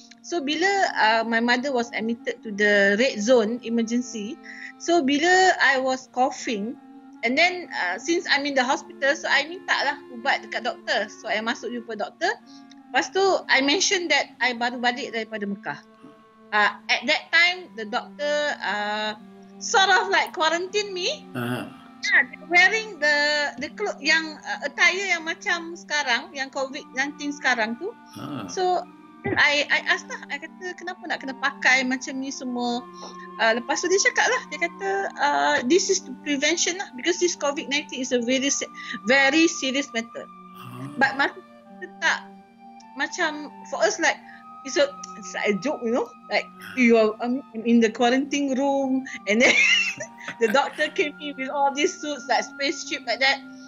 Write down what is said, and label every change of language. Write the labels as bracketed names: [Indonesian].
[English] So bila my mother was admitted to the red zone emergency, so bila I was coughing, and then since I'm in the hospital, so I [Malay] minta lah ubat dekat doktor. So I masuk jumpa doktor. Lepas tu, [English] I mentioned that I [Malay] baru balik daripada Mekah. [English] At that time, the doctor sort of like quarantine me. Wearing the clothes [Malay] yang attire yang macam sekarang, yang COVID-19 sekarang tu. [English] So I asked [Malay] lah, I kata kenapa nak kena pakai macam ni semua. Lepas tu dia cakap lah, dia kata [English] this is to prevention lah, because this COVID-19 is a very very serious matter. But [Malay] masa kita tak, macam [English] for us like it's like a joke, you know, like you are in the quarantine room and then the doctor came in with all these suits like spaceship like that.